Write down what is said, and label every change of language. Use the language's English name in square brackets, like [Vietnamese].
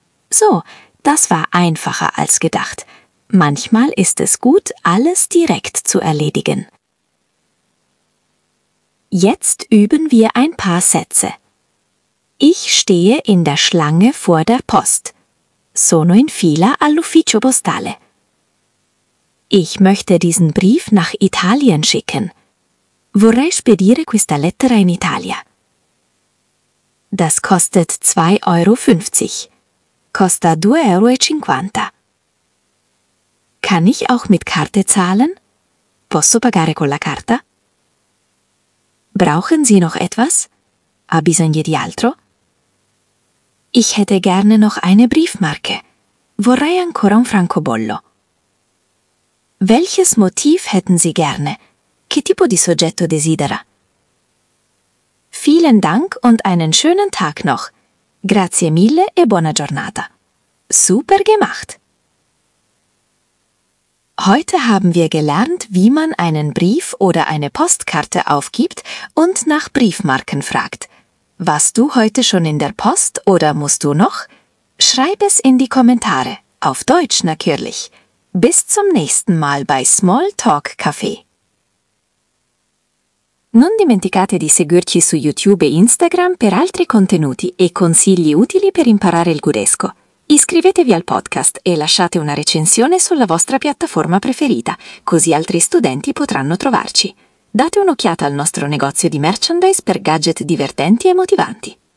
[German] So, das war einfacher als gedacht. Manchmal ist es gut, alles direkt zu erledigen. Jetzt üben wir ein paar Sätze. Ich stehe in der Schlange vor der Post. [Italian] Sono in fila all'ufficio postale. [German] Ich möchte diesen Brief nach Italien schicken. [Italian] Vorrei spedire questa lettera in Italia. [German] Das kostet 2,50 Euro. [Italian] Costa 2,50 Euro. [German] Kann ich auch mit Karte zahlen? [Italian] Posso pagare con la carta? [German] Brauchen Sie noch etwas? [Italian] Ha bisogno di altro? [German] Ich hätte gerne noch eine Briefmarke. [Italian] Vorrei ancora un francobollo. [German] Welches Motiv hätten Sie gerne? [Italian] Che tipo di soggetto desidera? [German] Vielen Dank und einen schönen Tag noch. [Italian] Grazie mille e buona giornata. [German] Super gemacht! Heute haben wir gelernt, wie man einen Brief oder eine Postkarte aufgibt und nach Briefmarken fragt. Warst du heute schon in der Post oder musst du noch? Schreib es in die Kommentare. Auf Deutsch natürlich. Bis zum nächsten Mal bei Small Talk Café. [Italian] Non dimenticate di seguirci su YouTube e Instagram per altri contenuti e consigli utili per imparare il gudesco. Iscrivetevi al podcast e lasciate una recensione sulla vostra piattaforma preferita, così altri studenti potranno trovarci. Date un'occhiata al nostro negozio di merchandise per gadget divertenti e motivanti.